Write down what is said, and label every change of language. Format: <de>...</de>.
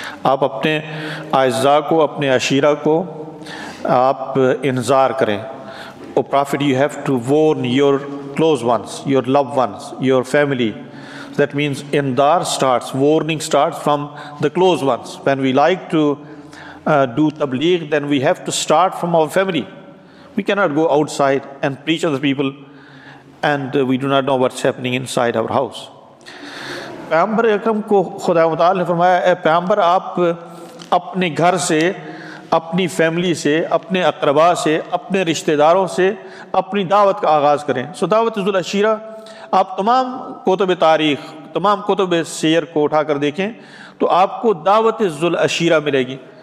<ur>آپ اپنے اعزاز کو، اپنے عشیرہ کو آپ انذار کریں۔</ur> <en>O prophet you have to warn your close ones, your love ones, your family. That means indar starts, warning starts from the close ones. When we like to do tabligh, then we have to start from our family. We cannot go outside and preach other people and we do not know what's happening inside our house.</en> <ur>پیغمبر اکرم کو خدا متعال نے فرمایا، اے پیغمبر آپ اپنے گھر سے، اپنی فیملی سے، اپنے اقربا سے، اپنے رشتہ داروں سے اپنی دعوت کا آغاز کریں۔ سو دعوت ذوالحجیرہ، آپ تمام کتب تاریخ، تمام کتب سیر کو اٹھا کر دیکھیں تو آپ کو دعوت ذوالحجیرہ ملے گی۔</ur>